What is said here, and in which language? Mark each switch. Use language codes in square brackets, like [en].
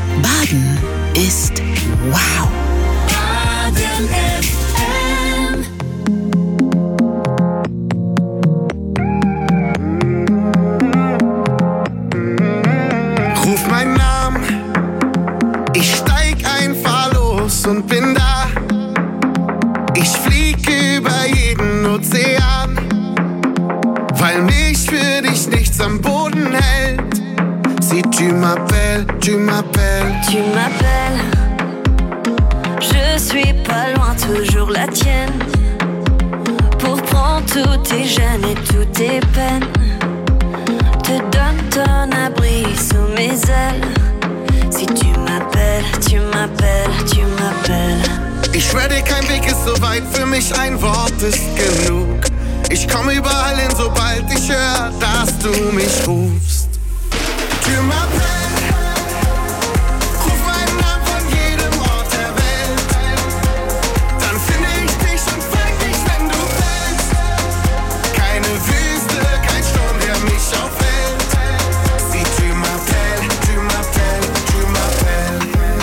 [de] Baden ist wow. Baden FM. Ruf meinen Namen, ich steig einfach los und bin da. Ich flieg über jeden Ozean. Weil mich für dich nichts am Boden hält. [fr] Si tu m'appelles, tu m'appelles. Tu m'appelles. Je suis pas loin, toujours la tienne. Pour prendre tous tes gênes et toutes tes peines. Te donne ton abri sous mes ailes. Si tu m'appelles, tu m'appelles, tu m'appelles. [de] Ich schwör dir, kein Weg ist so weit. Für mich ein Wort ist genug. Ich komm überall hin, sobald ich hör, dass du mich rufst. [fr] Tu m'appelles, [de] ruf meinen Namen von jedem Ort der Welt. Dann finde ich dich und frag dich, wenn du fällst. Keine Wüste, kein Sturm, der mich aufhält. [fr] Sieh, tu m'appelles, tu m'appelles, tu